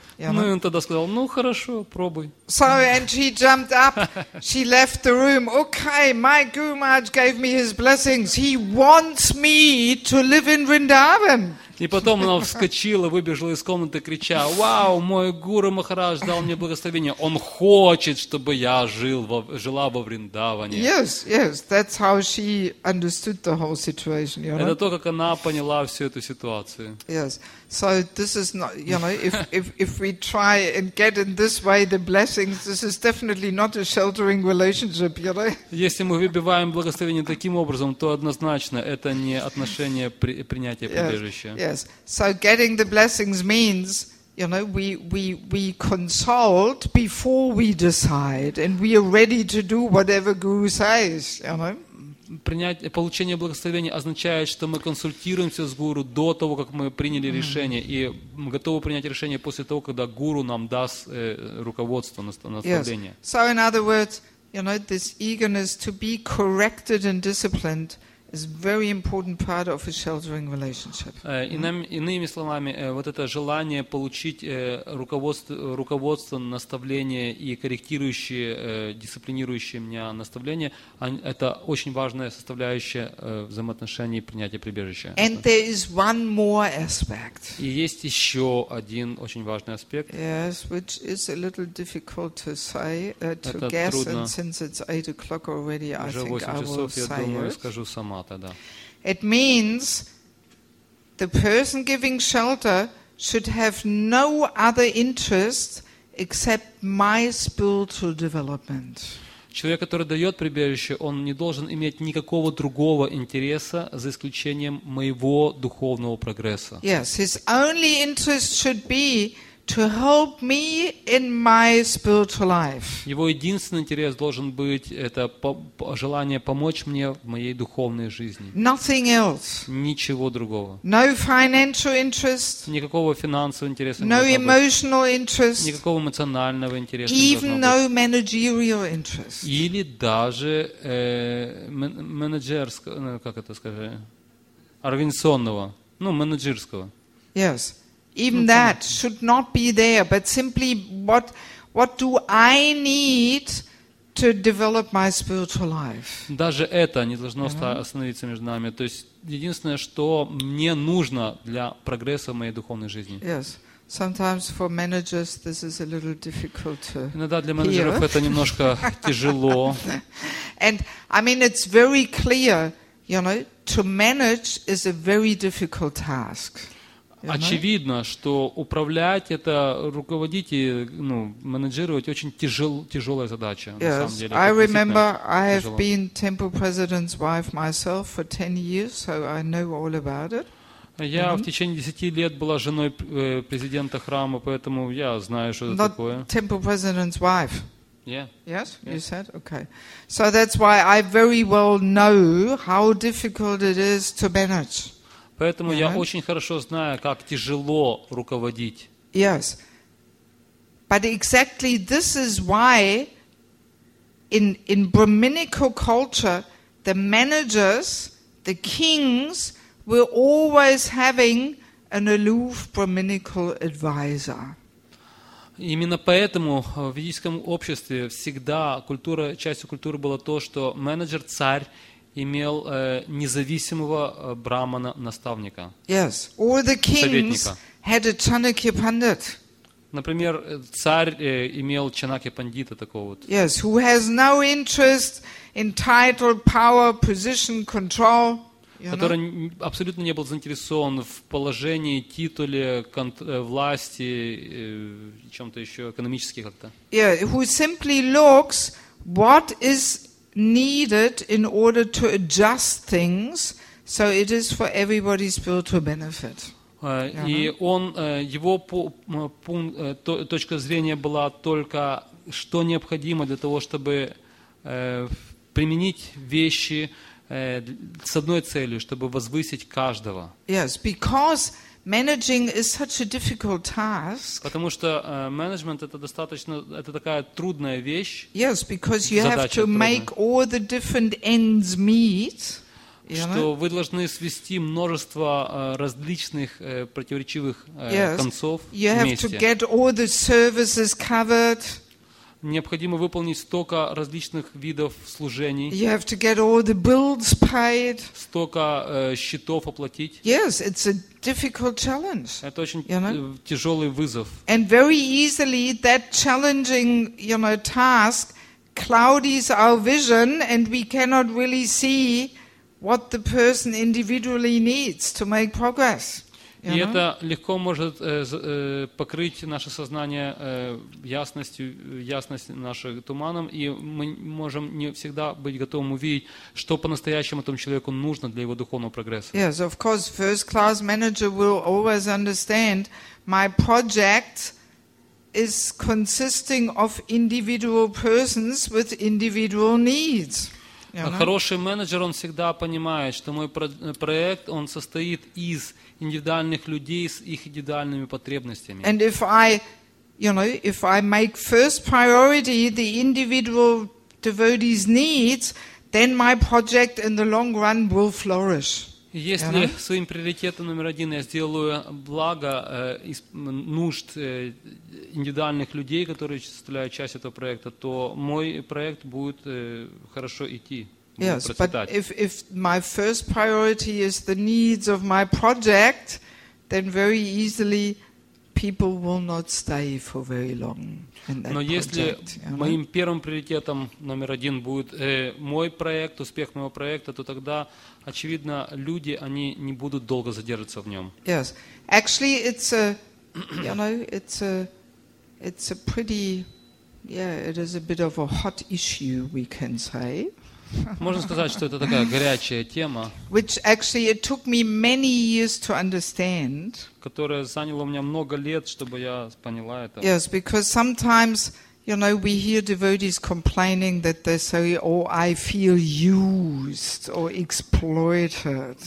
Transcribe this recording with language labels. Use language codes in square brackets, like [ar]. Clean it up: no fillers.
[ru] Ну, он тогда сказал, ну, хорошо, пробуй. [en] So, and she jumped up, she left the room. Okay, my Guru Maharaj gave me his blessings. He wants me to live in Vrindavan. [ru] И потом она вскочила, выбежала из комнаты, крича, вау, мой Гуру Махарадж дал мне благословение. Он хочет, чтобы я жила во Вриндаване. [en] Yes, yes, that's how she understood the whole situation, you know? [ru] Это то, как она поняла всю эту ситуацию. [en] Yes, so this is not, you know, if we try and get in this way the blessings, this is definitely not a sheltering relationship, you know? [ru] Если мы выбиваем благословение таким образом, то однозначно это не отношение принятия прибежища. [en] Yes. So getting the blessings means, you know, we consult before we decide and we are ready to do whatever Guru says, you know. [ru] Получение благословения означает, что мы консультируемся с гуру до того, как мы приняли решение, и мы готовы принять решение после того, когда гуру нам даст руководство, наставление. [en] Yes. So in other words, you know, this eagerness to be corrected and disciplined is very important part of a sheltering relationship. [ru] Иными словами, вот это желание получить руководство, наставление и корректирующее, дисциплинирующее меня наставление, это очень важная составляющая взаимоотношений принятия прибежища. [en] And there is one more aspect. [ru] И есть еще один очень важный аспект. [en] Yes, which is a little difficult to say, to guess, [ru] трудно. [en] And since it's 8 o'clock already, I think [ru] 8 часов, [en] I will [ru] я [en] say [ru] думаю, [en] it. [ru] Скажу сама. [en] It means the person giving shelter should have no other interest except my spiritual development. [ru] Человек, который дает прибежище, он не должен иметь никакого другого интереса за исключением моего духовного прогресса. [en] Yes, his only interest should be to help me in my spiritual life. [ru] Его единственный интерес должен быть это желание помочь мне в моей духовной жизни. [en] Nothing else. [ru] Ничего другого. [en] No financial interest. [ru] Никакого финансового интереса. [en] No emotional interest. [ru] Никакого эмоционального интереса. [en] Even no managerial interest. [ru] Или даже менеджерского, как это сказать, организационного, ну, менеджерского. [en] Yes. Even that should not be there, but simply what do I need to develop my spiritual life? [ru] Даже это не должно остановиться между нами. То есть единственное, что мне нужно для прогресса моей духовной жизни. [en] Yes. Sometimes for managers this is a little difficult to hear. [ru] Иногда для менеджеров это немножко тяжело. [en] And I mean it's very clear, you know, to manage is a very difficult task. [ru] Очевидно, что управлять это руководить и ну, менеджировать очень тяжелая задача. [en] Yes, [ru] на самом деле, [en] I remember I have been temple president's wife myself for 10 years, so I know all about it. [ru] Я в течение 10 лет была женой президента храма, поэтому я знаю, что [en] Not [ru] это такое. [en] Temple president's wife. Yeah. Yes, yeah. You said? Okay. So that's why I very well know how difficult it is to manage. [ru] Поэтому я очень хорошо знаю, как тяжело руководить. [en] Yes. But exactly this is why in Brahminical culture the managers, the kings were always having an aloof Brahminical advisor. [ru] Именно поэтому в ведическом обществе всегда культура, частью культуры было то, что менеджер, царь имел независимого брамана-наставника. [en] Yes. Or the kings had a Chanakya pandit. [ru] Например, царь имел Чанакья-пандита такого вот. [en] Yes, who has no interest in title, power, position, control. [ru] Который абсолютно не был заинтересован в положении, титуле, власти, чем-то еще экономически как-то. [en] Yeah, who simply looks what is needed in order to adjust things so it is for everybody's spiritual benefit. [ru] И он его точка зрения была только что необходимо для того, чтобы применить вещи с одной целью, чтобы возвысить каждого. [en] Yes, because managing is such a difficult task. [ru] Потому что менеджмент это достаточно это такая трудная вещь. [en] Yes, because you have to make all the different ends meet. [ru] Что вы должны свести множество различных противоречивых концов вместе. [en] You have to get all the services covered. [ru] Необходимо выполнить столько различных видов служений. [en] You have to get all the bills paid. [ru] Столько счетов оплатить. [en] Yes, it's a difficult challenge. [ru] Это очень тяжелый вызов. [en] And very easily that challenging, you know, task clouds our vision and we cannot really see what the person individually needs to make progress. [ru] И это легко может покрыть наше сознание ясность наших туманом, и мы можем не всегда быть готовым увидеть, что по-настоящему этому человеку нужно для его духовного прогресса. [en] Yes, of course, first-class manager will always understand my project is consisting of individual persons with individual needs. [ru] А хороший менеджер, он всегда понимает, что мой проект, он состоит из индивидуальных людей с их индивидуальными потребностями. [en] And if I, you know, if I make first priority the individual devotee's needs, then my project in the long run will flourish. [ru] Если своим приоритетом номер один я сделаю благо из нужд индивидуальных людей, которые составляют часть этого проекта, то мой проект будет хорошо идти, [en] yes, [ru] будет процветать. [en] But if my first priority is the needs of my project, then very easily people will not stay for very long in that [ru] Но [en] project, [ru] если моим первым приоритетом номер один будет мой проект, успех моего проекта, то тогда очевидно, люди они не будут долго задерживаться в нем. [en] Yes, actually, it's a, you know, it's a pretty, yeah, it is a bit of a hot issue, we can say. [ru] Можно сказать, что это такая горячая тема, [en] which actually it took me many years to understand, [ru] которая заняла у меня много лет, чтобы я поняла это. [en] Yes, because sometimes, you know, we hear devotees complaining that they say, "Oh, I feel used or exploited."